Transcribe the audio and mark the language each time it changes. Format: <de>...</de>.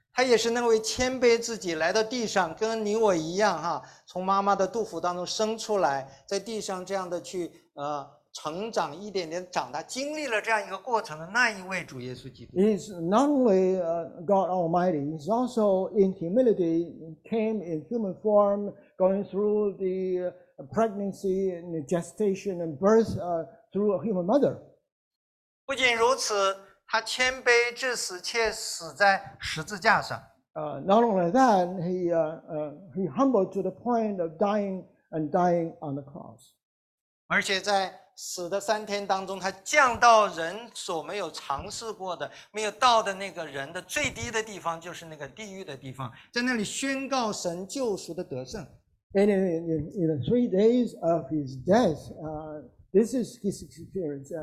<zh>他也是那位谦卑自己来到地上跟你我一样哈从妈妈的肚腹当中生出来在地上这样的去成长一点点长大经历了这样一个过程的那一位主耶稣基督。</zh> <en>He's not only God Almighty, he's also in humility, came in human form,going through the pregnancy and gestation and birth through a human mother.</en> <zh>不仅如此他谦卑至死且死在十字架上。</zh> <en>Not only that, he humbled to the point of dying on the cross.</en> <zh>而且在死的三天当中他降到人所没有尝试过的没有到的那个人的最低的地方就是那个地狱的地方在那里宣告神救赎的得胜。</zh> <en>And in the 3 days of his death, this is his experience.</en>